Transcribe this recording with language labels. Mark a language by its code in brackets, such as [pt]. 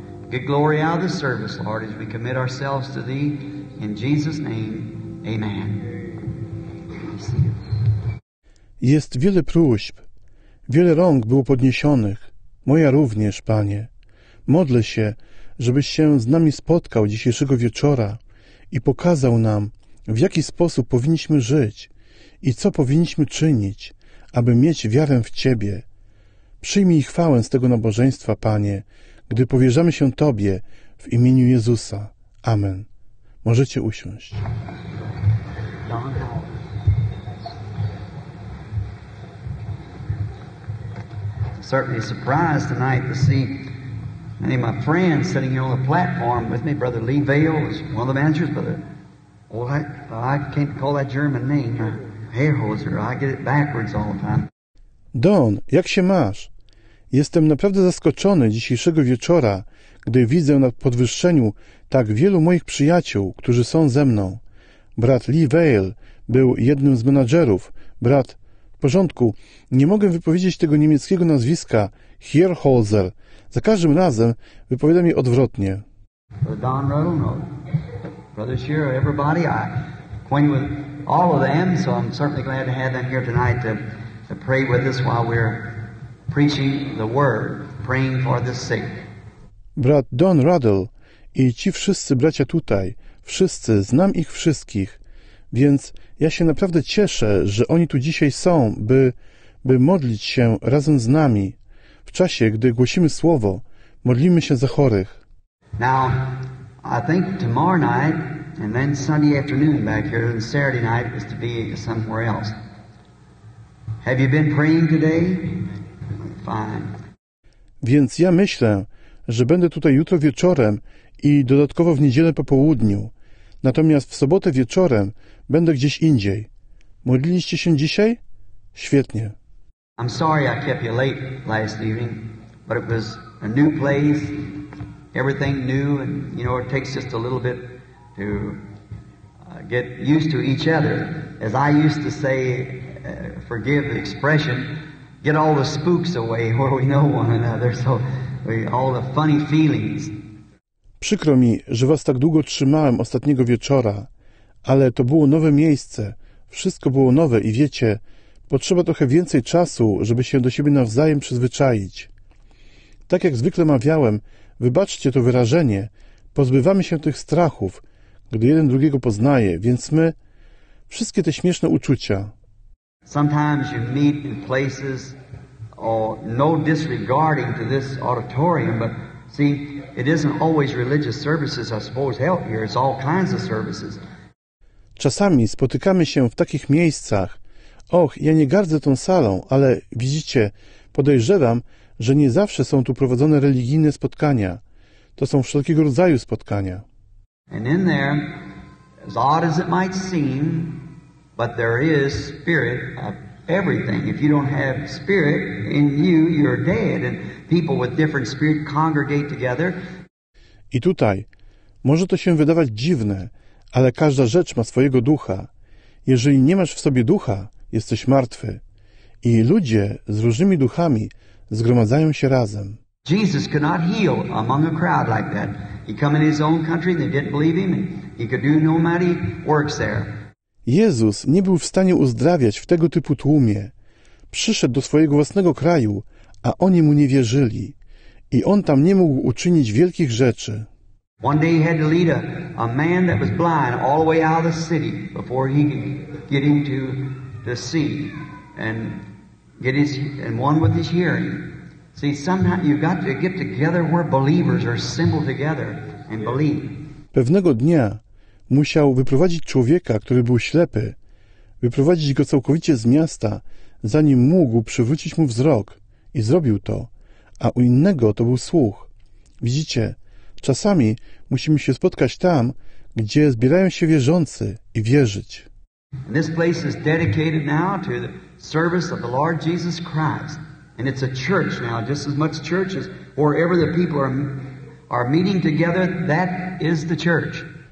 [en] Get glory out of the service, Lord, as we commit ourselves to Thee. In Jesus' name, amen. [pl] Jest wiele próśb, wiele rąk było podniesionych, moja również, Panie. Modlę się, żebyś się z nami spotkał dzisiejszego wieczora i pokazał nam, w jaki sposób powinniśmy żyć i co powinniśmy czynić, aby mieć wiarę w Ciebie. Przyjmij chwałę z tego nabożeństwa, Panie, gdy powierzamy się Tobie w imieniu Jezusa. Amen. Możecie usiąść. [en] Certainly surprised tonight to see many of my friends sitting here on the platform with me. Brother Lee Vail is one of the managers. Brother, I can't call that German name. Herrhoser, I get it backwards all the time. [pl] Don, jak się masz? Jestem naprawdę zaskoczony dzisiejszego wieczora, gdy widzę na podwyższeniu tak wielu moich przyjaciół, którzy są ze mną. Brat Lee Vail był jednym z menadżerów. Brat... W porządku, nie mogę wypowiedzieć tego niemieckiego nazwiska, Herrhoser. Za każdym razem wypowiadam je odwrotnie. [en] Brother Don Ruddle, no. Brother Shearer, everybody, I acquainted with all of them, so I'm certainly glad to have them here tonight to pray with us while we're preaching the word, praying for the sick. [pl] Brat Don Ruddle i ci wszyscy bracia tutaj, wszyscy, znam ich wszystkich, więc ja się naprawdę cieszę, że oni tu dzisiaj są, by modlić się razem z nami. W czasie, gdy głosimy słowo, modlimy się za chorych. [en] Now, I think tomorrow night, and then Sunday afternoon back here, and Saturday night is to be somewhere else. Have you been praying today? Fine. [pl] Więc ja myślę, że będę tutaj jutro wieczorem i dodatkowo w niedzielę po południu. Natomiast w sobotę wieczorem będę gdzieś indziej. Modliliście się dzisiaj? Świetnie. [en] I'm sorry I kept you late last evening, but it was a new place, everything new, and you know, it takes just a little bit to get used to each other. As I used to say, forgive the expression, get all the spooks away where we know one another, so all the funny feelings. [pl] Przykro mi, że was tak długo trzymałem ostatniego wieczora, ale to było nowe miejsce, wszystko było nowe i wiecie, potrzeba trochę więcej czasu, żeby się do siebie nawzajem przyzwyczaić. Tak jak zwykle mawiałem, wybaczcie to wyrażenie, pozbywamy się tych strachów, gdy jeden drugiego poznaje, więc my, wszystkie te śmieszne uczucia. [en] Sometimes you meet in places, or no disregarding to this auditorium, but see, it isn't always religious services, I suppose, help here, it's all kinds of services. [pl] Czasami spotykamy się w takich miejscach. Och, ja nie gardzę tą salą, ale widzicie, podejrzewam, że nie zawsze są tu prowadzone religijne spotkania. To są wszelkiego rodzaju spotkania. [en] And in there, as odd as it might seem, but there is spirit of everything. If you don't have spirit in you, you're dead. And people with different spirit congregate together. [pl] I tutaj, może to się wydawać dziwne, ale każda rzecz ma swojego ducha. Jeżeli nie masz w sobie ducha, jesteś martwy. I ludzie z różnymi duchami zgromadzają się razem. [en] Jesus could not heal among a crowd like that. He came in his own country and they didn't believe him and he could do no mighty works there. [pl] Jezus nie był w stanie uzdrawiać w tego typu tłumie. Przyszedł do swojego własnego kraju, a oni mu nie wierzyli. I on tam nie mógł uczynić wielkich rzeczy. [en] One day he had to lead a man that was blind all the way out of the city before he could get into the sea and get his and one with his hearing. See, sometimes you've got to get together where believers are assembled together and believe. [pl] Pewnego dnia musiał wyprowadzić człowieka, który był ślepy, wyprowadzić go całkowicie z miasta, zanim mógł przywrócić mu wzrok i zrobił to, a u innego to był słuch. Widzicie, czasami musimy się spotkać tam, gdzie zbierają się wierzący i wierzyć. [en] And this place is dedicated now to the service of the Lord Jesus Christ. And it's a church now, just as much church as wherever the people are meeting together, that is the church.